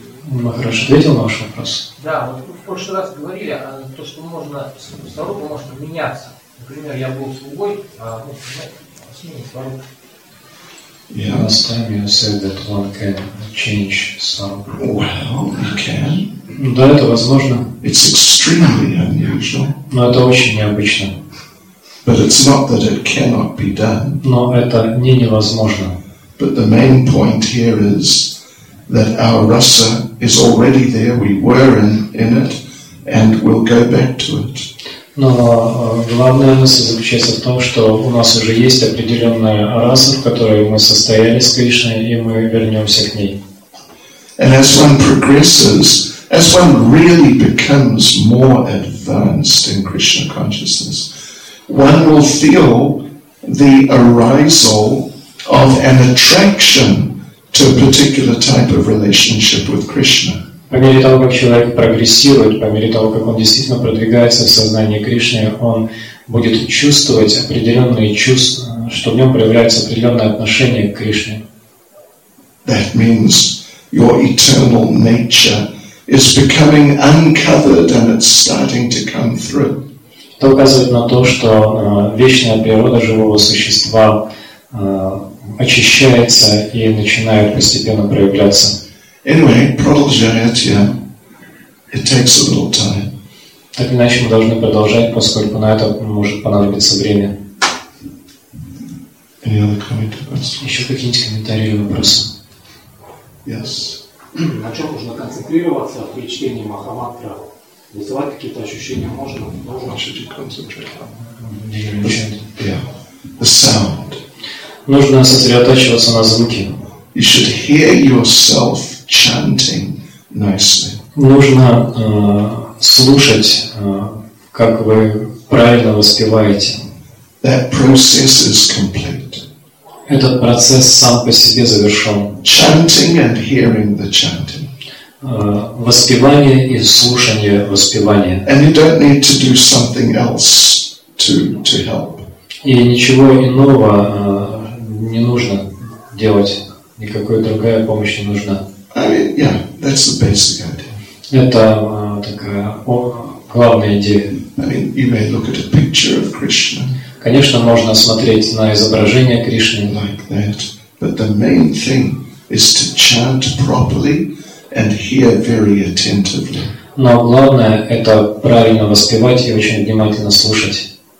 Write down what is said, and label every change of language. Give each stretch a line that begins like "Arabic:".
Russian: Махарадж ответил на ваш вопрос? Да, вот в прошлый раз говорили то, что можно сварупа может меняться. Например, я был слугой, сменил сварупу.
English: Yeah, last time you said that one can change sarupa. Well, you can.
Russian: Да, это возможно.
English: It's extremely unusual.
Russian: Но это очень необычно.
English: But it's not that it cannot be done.
Russian: Но это не невозможно.
English: But the main point here is that our rasa is already there, we were in it, and we'll go back to it.
Russian: Но главная мысль заключается в том, что у нас уже есть определенная раса, в которой мы состояли с Кришной, и мы вернемся к ней.
English: And as one progresses, as one really becomes more advanced in Krishna consciousness, one will feel the arisal of of an attraction to a particular type of relationship with Krishna.
Russian: По мере того, как человек прогрессирует, по мере того, как он действительно продвигается в сознании Кришны, он будет чувствовать определенные чувства, что в нем проявляется определенное отношение к Кришне.
English: That means your eternal nature is becoming uncovered and it's starting to come through.
Russian: Это указывает на то, что вечная природа живого существа очищается и начинает постепенно проявляться.
English: Anyway,
Russian: продолжайте.
English: It takes a little time.
Russian: Так иначе мы должны продолжать, поскольку на это может понадобиться время.
English: Any other comments?
Russian: Еще какие-нибудь комментарии или вопросы?
English: Yes.
Russian: На чем нужно концентрироваться при чтении Махамантры? Вызывать какие-то ощущения можно? Можно что-то концентрировать.
English: Yeah. The sound.
Russian: Нужно сосредотачиваться на звуке.
English: You should hear yourself chanting nicely.
Russian: Нужно слушать, как вы правильно воспеваете.
English: That process is complete.
Russian: Этот процесс сам по себе завершен.
English: Chanting and hearing the chanting.
Russian: Воспевание и слушание воспевания.
English: And you don't need to do something else to help.
Russian: И ничего иного не нужно делать. Никакой другая помощь не нужна.
English: I mean, yeah, that's the basic idea.
Russian: Это такая главная идея.
English: I mean, you may look at a picture of Krishna.
Russian: Конечно, можно смотреть на изображение Кришны.
English: Like that. But the main thing is to chant properly and hear very attentively.
Russian: Но главное – это правильно воспевать и очень внимательно слушать.